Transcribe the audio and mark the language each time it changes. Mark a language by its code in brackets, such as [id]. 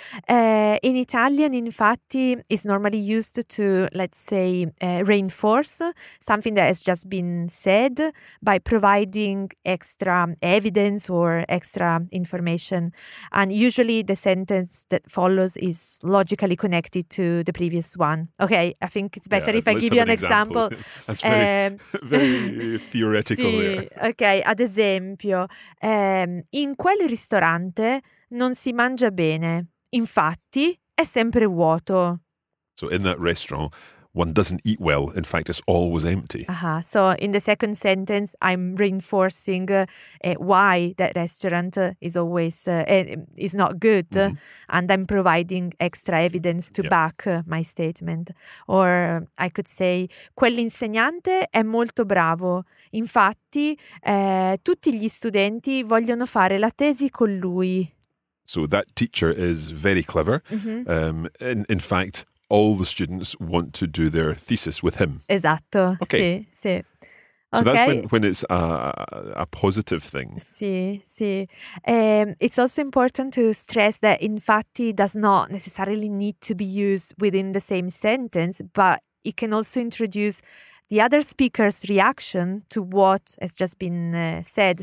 [en] In Italian, infatti is normally used to, let's say, reinforce something that has just been said by providing extra evidence or extra information, and usually the sentence that follows is logically connected to the previous one. Okay, I think it's better if I give you an example. That's very theoretical. [it] Sì, okay, ad esempio, in quel ristorante non si mangia bene, infatti è sempre vuoto. [en] So in that restaurant one doesn't eat well. In fact, it's always empty. Uh-huh. So in the second sentence, I'm reinforcing why that restaurant is always is not good. Mm-hmm. And I'm providing extra evidence to back my statement. Or I could say, [it] quell'insegnante è molto bravo. Infatti, tutti gli studenti vogliono fare la tesi con lui. [en] So that teacher is very clever. Mm-hmm. In fact, all the students want to do their thesis with him. [it] Esatto. [en] Okay. [it] Sì, sì. [en] So okay. That's when it's a positive thing. [it] Sì, sì. [en] It's also important to stress that infatti does not necessarily need to be used within the same sentence, but it can also introduce the other speaker's reaction to what has just been said.